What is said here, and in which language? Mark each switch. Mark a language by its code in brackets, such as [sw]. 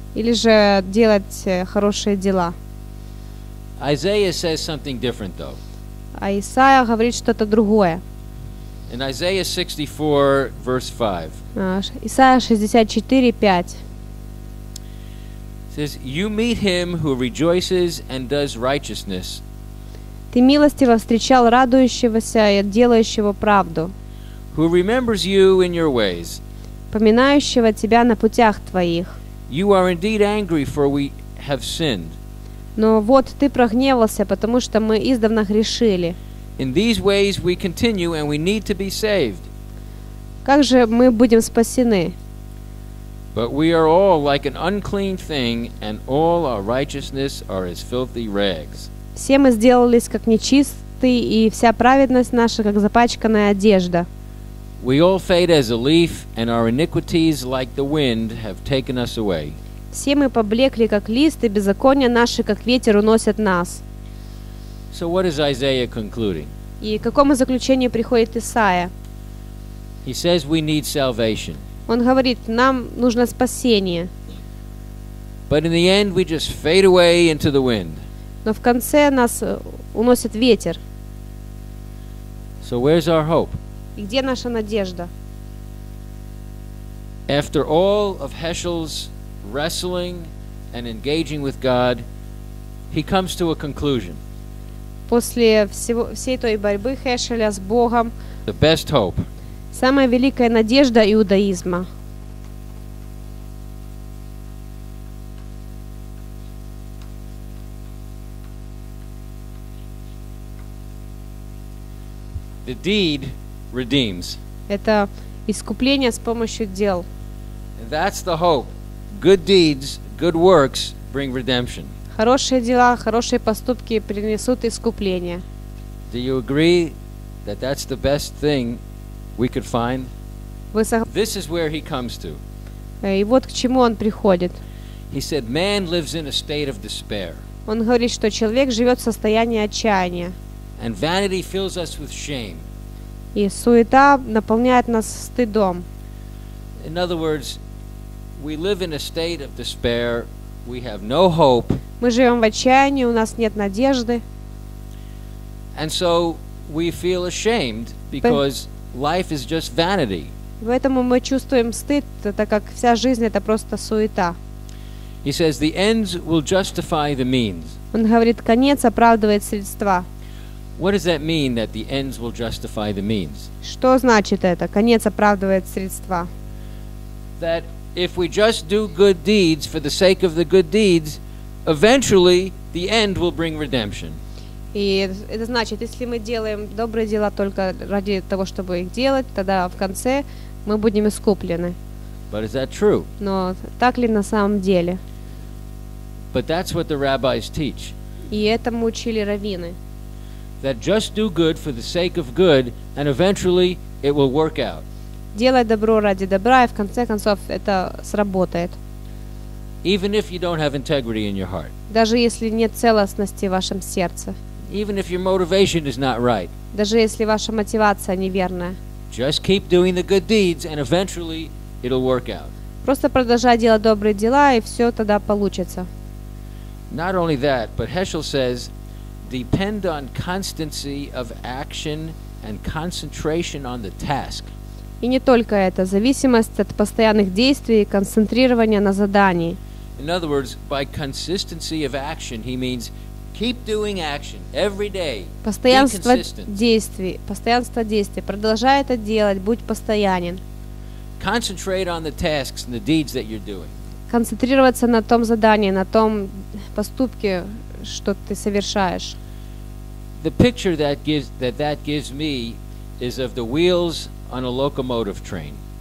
[ru] Или же делать хорошие дела. [en] Isaiah says something different, though. [ru] А Исаия говорит что-то другое. [en] In Isaiah 64, verse 5. [ru] Исаия 64:5. [en] Says, "You meet him who rejoices and does righteousness." [ru] Ты милостиво встречал радующегося и делающего правду. [en] Who remembers you in your ways? [ru] Поминающего тебя на путях твоих. [en] You are indeed angry, for we have sinned. [ru] Но вот ты прогневался, потому что мы издавна грешили. [en] In these ways we continue, and we need to be saved. [ru] Как же мы будем спасены? [en] But we are all like an unclean thing, and all our righteousness are as filthy rags. [ru] Все мы сделались как нечистые, и вся праведность наша как запачканная одежда. [en] We all fade as a leaf, and our iniquities, like the wind, have taken us away. [ru] Все мы поблекли, как лист, и беззакония наши, как ветер, уносят нас. [en] So what is Isaiah concluding? [ru] И к какому заключению приходит Исаия? [en] He says we need salvation. [ru] Он говорит, нам нужно спасение. [en] But in the end we just fade away into the wind. [ru] Но в конце нас уносит ветер. [en] So where's our hope? [ru] И где наша надежда? [en] After all of Heschel's wrestling and engaging with God, he comes to a conclusion. [ru] После всей той борьбы Хешеля с Богом. [en] The best hope. [ru] Самая великая надежда иудаизма. [en] The deed redeems. [ru] Это искупление с помощью дел. [en] And that's the hope. Good deeds, good works bring redemption. [ru] Хорошие дела, хорошие поступки принесут искупление. [en] Do you agree that that's the best thing we could find? This is where he comes to. [ru] И вот к чему он приходит. [en] He said, "Man lives in a state of despair." [ru] Он говорит, что человек живет в состоянии отчаяния. [en] And vanity fills us with shame. [ru] И суета наполняет нас стыдом. [en] In other words, we live in a state of despair. We have no hope. [ru] Мы живем в отчаянии, у нас нет надежды. [en] And so we feel ashamed because life is just vanity. [ru] Поэтому мы чувствуем стыд, так как вся жизнь это просто суета. [en] He says the ends will justify the means. [ru] Он говорит, конец оправдывает средства. [en] What does that mean that the ends will justify the means? [ru] Что значит это? Конец оправдывает средства. [en] That if we just do good deeds for the sake of the good deeds, eventually the end will bring redemption. [ru] И это значит, если мы делаем добрые дела только ради того, чтобы их делать, тогда в конце мы будем искуплены. [en] But is that true? [ru] Но так ли на самом деле? [en] But that's what the rabbis teach. [ru] И этому учили раввины. [en] That just do good for the sake of good, and eventually it will work out. [ru] Делай добро ради добра, и в конце концов это сработает. [en] Even if you don't have integrity in your heart. [ru] Даже если нет целостности в вашем сердце. [en] Even if your motivation is not right. [ru] Даже если ваша мотивация неверная. [en] Just keep doing the good deeds, and eventually it'll work out. [ru] Просто продолжай делать добрые дела, и все тогда получится. [en] Not only that, but Heschel says, depend on constancy of action and concentration on the task. [ru] И не только это, зависимость от постоянных действий и концентрирования на задании. [en] In other words, by consistency of action, he means keep doing action every day. [ru] Постоянство действий, постоянство действий. Продолжай это делать, будь постоянен. [en] Concentrate on the tasks and the deeds that you're doing. [ru] Концентрироваться на том задании, на том поступке, что ты совершаешь. [en] The picture that gives me is of the wheels on a locomotive train.